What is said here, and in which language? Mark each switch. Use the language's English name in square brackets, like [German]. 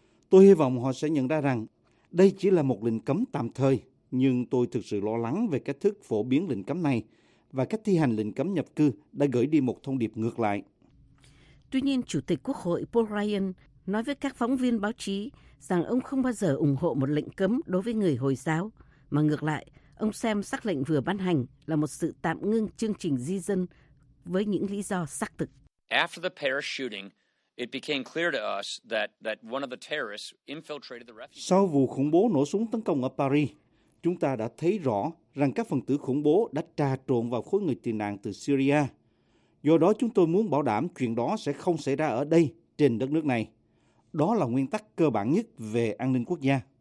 [Vietnamese] Tôi hy vọng họ sẽ nhận ra rằng đây chỉ là một lệnh cấm tạm thời, nhưng tôi thực sự lo lắng về cách thức phổ biến lệnh cấm này và cách thi hành lệnh cấm nhập cư đã gửi đi một thông điệp ngược lại. Tuy nhiên, Chủ tịch Quốc hội Paul Ryan nói với các phóng viên báo chí rằng ông không bao giờ ủng hộ một lệnh cấm đối với người Hồi giáo, mà ngược lại, ông xem sắc lệnh vừa ban hành là một sự tạm ngưng chương trình di dân với những lý do xác thực. [English] After the Paris shooting, it became clear to us that one of the terrorists infiltrated the refugee. [Vietnamese] Sau vụ khủng bố nổ súng tấn công ở Paris, chúng ta đã thấy rõ rằng các phần tử khủng bố đã trà trộn vào khối người tị nạn từ Syria. Do đó chúng tôi muốn bảo đảm chuyện đó sẽ không xảy ra ở đây, trên đất nước này. Đó là nguyên tắc cơ bản nhất về an ninh quốc gia.